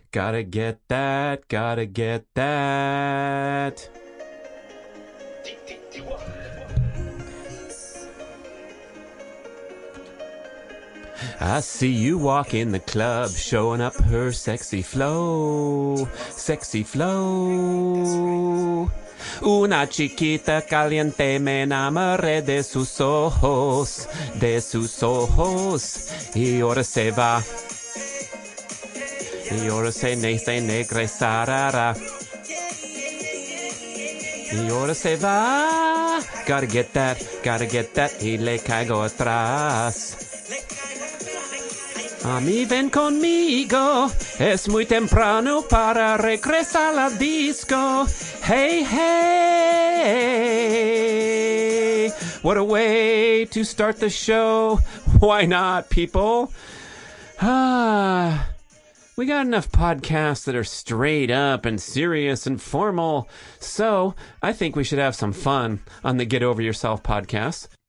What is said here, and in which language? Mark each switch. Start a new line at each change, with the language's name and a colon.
English: Gotta get that. Gotta get that. I see you walk in the club, showing up her sexy flow. Sexy flow.
Spanish: Una chiquita caliente me enamoré de sus ojos, de sus ojos. Y ahora se va, y ahora se ne se negresarara, y ahora se va.
English: Gotta get that,
Spanish: y le caigo atrás. A mí ven conmigo, es muy temprano para regresar al disco.
English: Hey, hey, what a way to start the show. Why not, people? We got enough podcasts that are straight up and serious and formal, so I think we should have some fun on the Get Over Yourself podcast.